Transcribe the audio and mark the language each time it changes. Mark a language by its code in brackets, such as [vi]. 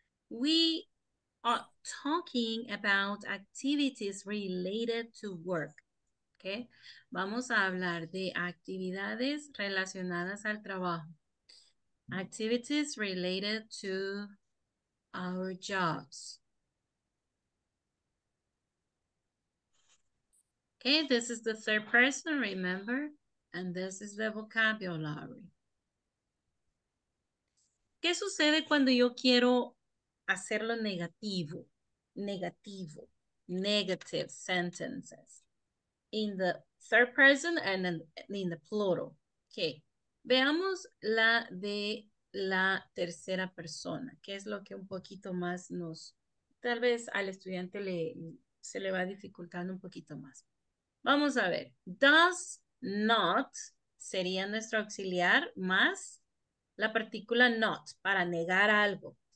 [en] We are talking about activities related to work. [es] Okay, vamos a hablar de actividades relacionadas al trabajo. [en] Activities related to our jobs. Okay, this is the third person, remember? And this is the vocabulary. [es] ¿Qué sucede cuando yo quiero hacerlo negativo? Negativo. [en] Negative sentences. In the third person and in the plural. [es] Okay. Veamos la de la tercera persona. ¿Qué es lo que un poquito más nos... Tal vez al estudiante se le va dificultando un poquito más. Vamos a ver. Does not sería nuestro auxiliar más la partícula not para negar algo.